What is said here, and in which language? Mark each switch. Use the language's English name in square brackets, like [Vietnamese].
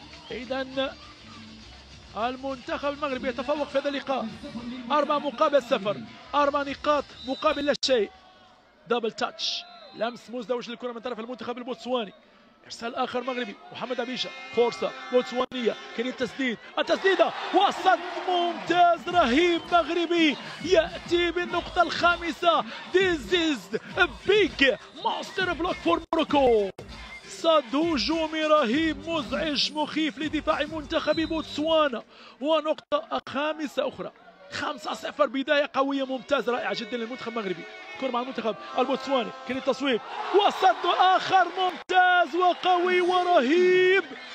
[Arabic] إذن المنتخب المغربي يتفوق في هذا اللقاء 4-0، 4 نقاط مقابل لا شيء. دبل تاتش، لمس مزدوج للكره من طرف المنتخب البوتسواني. ارسال اخر مغربي محمد عبيشة، فرصه بوتسوانيه، كان التسديد، التسديده، وصد ممتاز رهيب مغربي ياتي بالنقطه الخامسه. [English] This is a big monster block for Morocco. [Arabic] صد هجومي رهيب مزعج مخيف لدفاع منتخب بوتسوانا، ونقطة خامسة أخرى. 5-0، بداية قوية ممتازة رائعة جدا للمنتخب المغربي. كرة مع المنتخب البوتسواني، كان التصويب، وصد آخر ممتاز وقوي ورهيب.